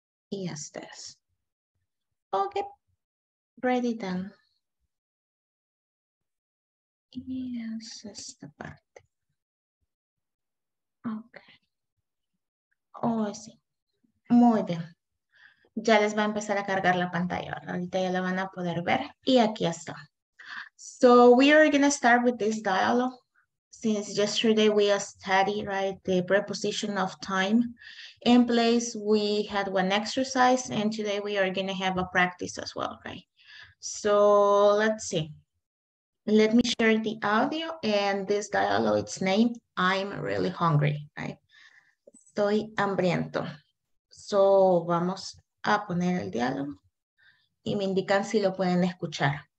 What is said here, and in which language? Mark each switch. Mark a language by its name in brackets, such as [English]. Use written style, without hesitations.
[Spanish] Y ya estás. Ok. [English] Ready then. [Spanish] Y es esta parte. Ok. Oh, sí. Muy bien. ya les va a empezar a cargar la pantalla, ¿verdad? Ahorita ya la van a poder ver. Y aquí está. [English] So we are going to start with this dialogue. Since yesterday we studied, right, the preposition of time in place, we had one exercise, and today we are going to have a practice as well, right? So let's see. Let me share the audio and this dialogue, its name, I'm really hungry, right? [Spanish] Estoy hambriento. So vamos a poner el diálogo y me indican si lo pueden escuchar.